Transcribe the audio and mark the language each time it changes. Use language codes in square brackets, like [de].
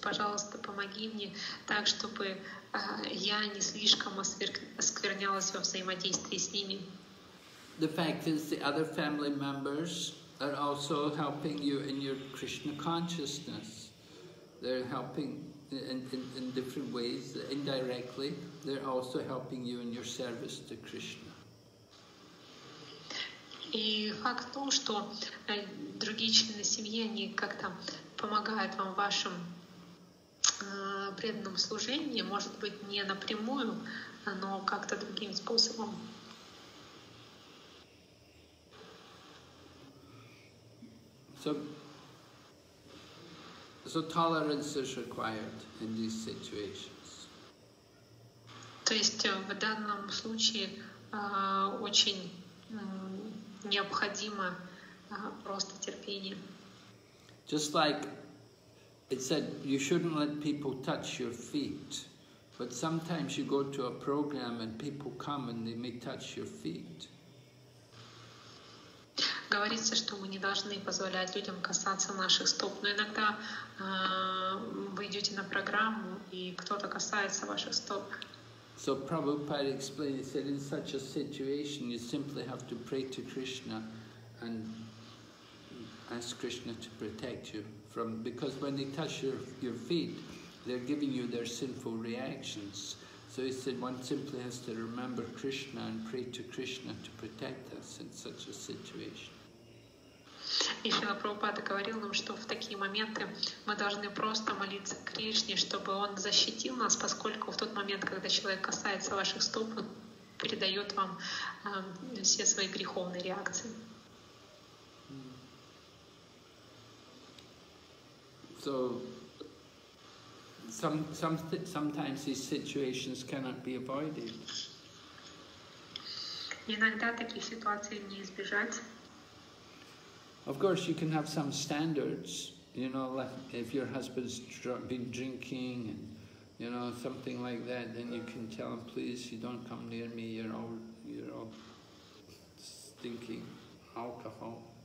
[ru] Пожалуйста, помоги мне так, чтобы я не слишком осквернялась во взаимодействии с ними. [en] The fact is, the other family members are also helping you in your Krishna consciousness. They're helping in different ways, indirectly. They're also helping you in your service to Krishna. [ru] И факт в том, что другие члены семьи, они как-то помогают вам в вашем преданном служении, может быть, не напрямую, но как-то другим способом. [en] So tolerance is required in these situations. [ru] То есть в данном случае очень необходимо просто терпение. [en] Just like it said, you shouldn't let people touch your feet. But sometimes you go to a program and people come and they may touch your feet. [ru] Говорится, что мы не должны позволять людям касаться наших стоп. Но иногда вы идете на программу и кто-то касается ваших стоп. [en] So Prabhupada explains that in such a situation, you simply have to pray to Krishna and ask Krishna to protect you from. Because when they touch your feet, they're giving you their sinful reactions. So he said one simply has to remember Krishna and pray to Krishna to protect us in such a situation. [ru] И Шрила Прабхупада говорил нам, что в такие моменты мы должны просто молиться Кришне, чтобы Он защитил нас, поскольку в тот момент, когда человек касается ваших стоп, Он передает вам все свои греховные реакции. [en] So, sometimes these situations cannot be avoided. [ru] Иногда таких ситуаций не избежать. [en] Of course, you can have some standards, you know, like if your husband's been drinking, and, you know, something like that, then you can tell him, please, you don't come near me, you're all stinking alcohol.